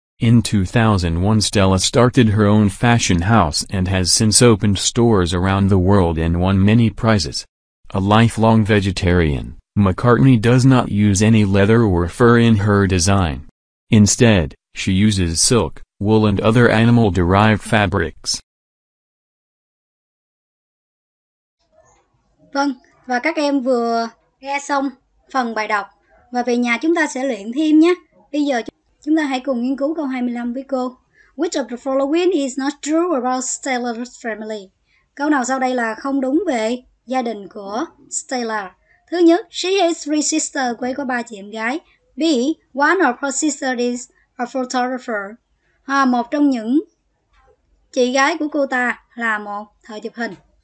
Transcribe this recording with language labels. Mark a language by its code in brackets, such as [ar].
[en] In 2001, Stella started her own fashion house and has since opened stores around the world and won many prizes. A lifelong vegetarian, McCartney does not use any leather or fur in her design. Instead, she uses silk, wool and other animal-derived fabrics. [vi] Vâng, và các em vừa nghe xong phần bài đọc và về nhà chúng ta sẽ luyện thêm nhé. Bây giờ chúng ta hãy cùng nghiên cứu câu 25 với cô. [en] Which of the following is not true about Stella's family? [vi] Câu nào sau đây là không đúng về gia đình của Stella? Thứ nhất, [en] she has three sisters, [vi] quê có ba chị em gái. [en] B, one of her sisters is a photographer. [vi] À, một trong những chị gái của cô ta là một thợ chụp hình.